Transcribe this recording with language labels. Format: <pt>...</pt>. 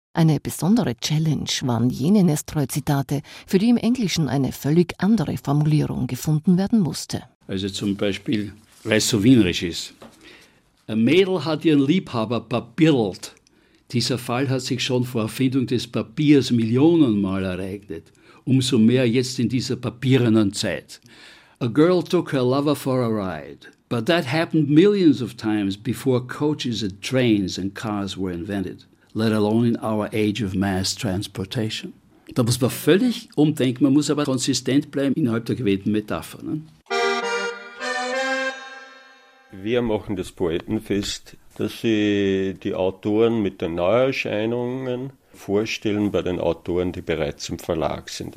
<de>Eine besondere Challenge waren jene Nestroy-Zitate, für die im Englischen eine völlig andere Formulierung gefunden werden musste. Also zum Beispiel, weil es so wienerisch ist. Ein Mädel hat ihren Liebhaber papiert. Dieser Fall hat sich schon vor Erfindung des Papiers millionenmal ereignet. Umso mehr jetzt in dieser papierenden Zeit.</de> <en>A girl took her lover for a ride. But that happened millions of times before coaches and trains and cars were invented. Let alone in our age of mass transportation.</en> <de>Da muss man völlig umdenken, man muss aber konsistent bleiben innerhalb der gewählten Metapher. Ne? Wir machen das Poetenfest, dass sie die Autoren mit den Neuerscheinungen vorstellen bei den Autoren, die bereits im Verlag sind.</de>